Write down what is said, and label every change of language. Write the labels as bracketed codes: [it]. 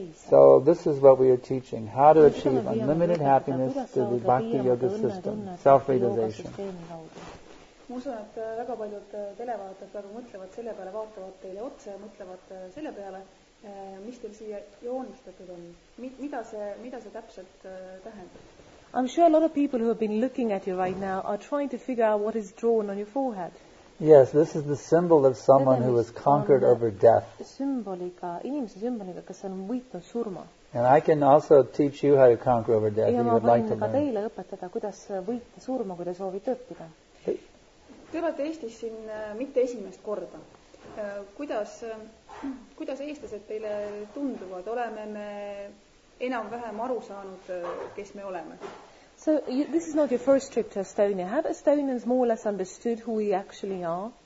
[en] So this is what we are teaching, how to achieve unlimited happiness through the Bhakti Yoga system, self-realization. [et] Ma usun, et väga paljud televaatajad praegu mõtlevad selle peale, vaatavad teile otse ja mõtlevad selle peale, mis teil siia joonistatud on. Mida see täpselt tähendab? [en] I'm sure a lot of people who have been looking at you right now are trying to figure out what is drawn on your forehead. Yes, this is the symbol of someone who has conquered over death. [et] Inimese sümboliga, kes on võitnud surma. [en] And I can also teach you how to conquer over death if you would like to learn. [et] Ja ma võin ka teile õpetada, kuidas võita surma, kui te soovite õppida. Te olete Eestis siin mitte esimest korda. Kuidas eestlased teile tunduvad? Oleme me enam vähem aru saanud, kes me oleme? [en] So this is not your first trip to Estonia. Have Estonians more or less understood who we actually are?